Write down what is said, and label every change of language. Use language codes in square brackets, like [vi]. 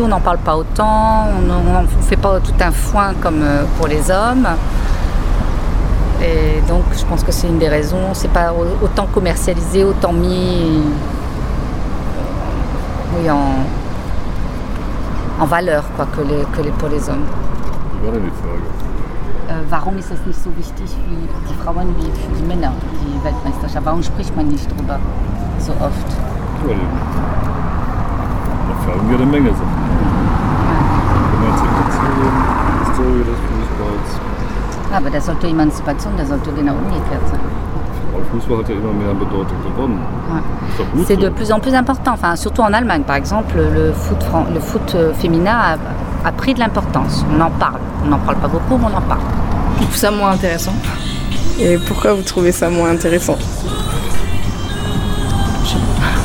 [fr] On n'en parle pas autant. On ne fait pas tout un foin comme pour les hommes. Et donc, je pense que c'est une des raisons. C'est pas autant commercialisé, autant mis en valeur, quoi, que pour les hommes. [de] Warum ist das nicht so wichtig wie die Frauen wie für die Männer, die Weltmeisterschaft? Warum spricht man nicht drüber so oft? Weil dafür haben wir eine Menge Sachen. Emanzipation, Historie des Fußballs. Aber das sollte Emanzipation, das sollte genau umgekehrt sein. Fußball hat ja immer mehr Bedeutung gewonnen. [fr] C'est de plus en plus important, enfin, surtout en Allemagne par exemple, le foot féminin a pris de l'importance. On n'en parle pas beaucoup, mais on en parle. Je trouve ça moins intéressant. Et pourquoi vous trouvez ça moins intéressant? Je sais pas.